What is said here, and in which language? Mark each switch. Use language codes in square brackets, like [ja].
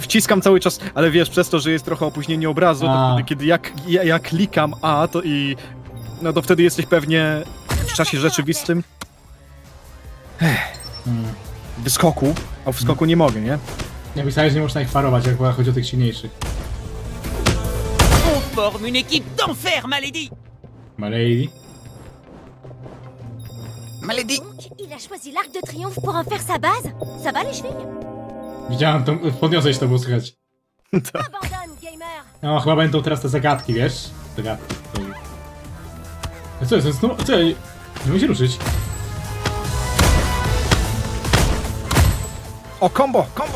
[pl] Wciskam cały czas, ale wiesz, przez to, że jest trochę opóźnienie obrazu, to wtedy, kiedy ja klikam A, to i... No to wtedy jesteś pewnie w czasie rzeczywistym. Wyskoku. A wskoku nie mogę, nie? Ja myślałem, że nie można ich farować, jak chodzi o tych silniejszych. [fr] On forme une équipe d'enfer, Malady! Malady? Malady. Donc, il a choisi l'arc de triomphe pour en faire sa base. Ça va les chevilles? [pl] Widziałem to, podniosłeś to, było słychać. Tak. No, chyba będą teraz te zagadki, wiesz? Zagadki. Co jest? No, co? Nie musi ruszyć. O, kombo!